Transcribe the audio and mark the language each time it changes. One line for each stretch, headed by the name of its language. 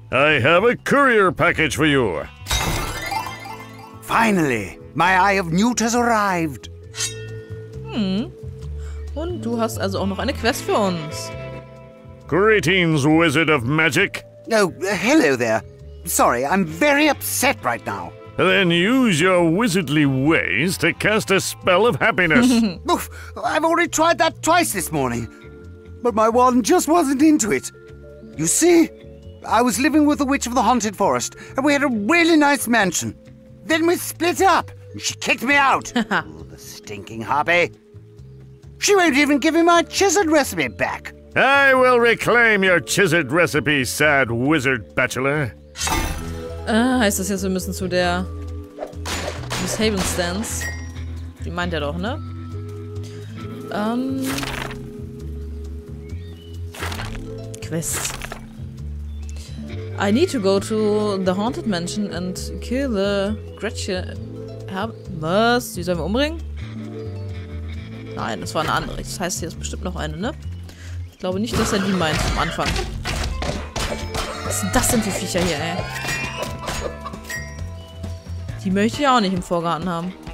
English: I have a courier package for you. Finally, my Eye of Newt has arrived.
German: Und du hast also auch noch eine Quest für uns.
English: Greetings, Wizard of Magic. Oh, hello there. Sorry, I'm very upset right now. Then use your wizardly ways to cast a spell of happiness. Oof, I've already tried that twice this morning. But my wand just wasn't into it. You see, I was living with the Witch of the Haunted Forest, and we had a really nice mansion. Then we split up, and she kicked me out. Oh, the stinking harpy. She won't even give me my chiseled recipe back. I will reclaim your chiseled recipe, sad wizard bachelor.
German: Heißt das jetzt, wir müssen zu der Miss Haven Stance? Die meint er doch, ne?
English: Quest. I need to go to the Haunted Mansion and kill the Gretchen.
German: Was? Die sollen wir umbringen? Nein, das war eine andere. Das heißt, hier ist bestimmt noch eine, ne? Ich glaube nicht, dass er die meint am Anfang. Was sind das denn für Viecher hier, ey? Die möchte ich auch nicht im Vorgarten haben.